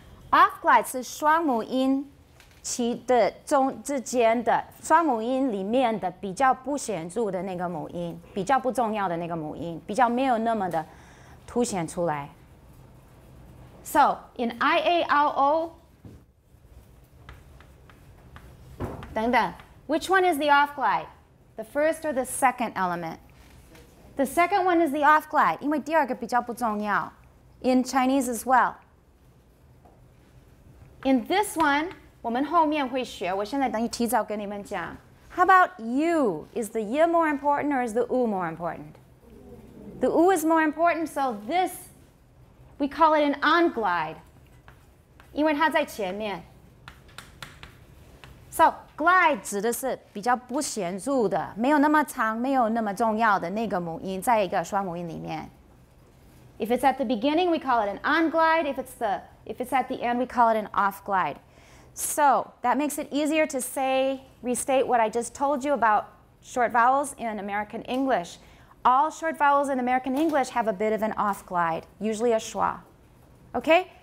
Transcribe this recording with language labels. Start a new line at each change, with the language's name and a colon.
Chinese: Off glide 是双母音其的中之间的双母音里面的比较不显著的那个母音，比较不重要的那个母音，比较没有那么的凸显出来。
English: So, in I-A-L-O, 等等, which one is the off-glide? The first or the second element? The second one is the off-glide,
Chinese: 因为第二个比较不重要,
English: in Chinese as well. In this one,
Chinese: 我们后面会学, 我现在等于提早跟你们讲,
English: how about U? Is the Y more important or is the U more important? The U is more important, so this we call it an on glide.
Chinese: 因为它在前面. So, glide 指的是比较不显著的, 没有那么长, 没有那么重要的, 那个母音, 在一个双母音里面.
English: If it's at the beginning, we call it an on glide. If it's at the end, we call it an off glide. So, that makes it easier to say, restate what I just told you about short vowels in American English. All short vowels in American English have a bit of an off glide, usually a schwa. Okay?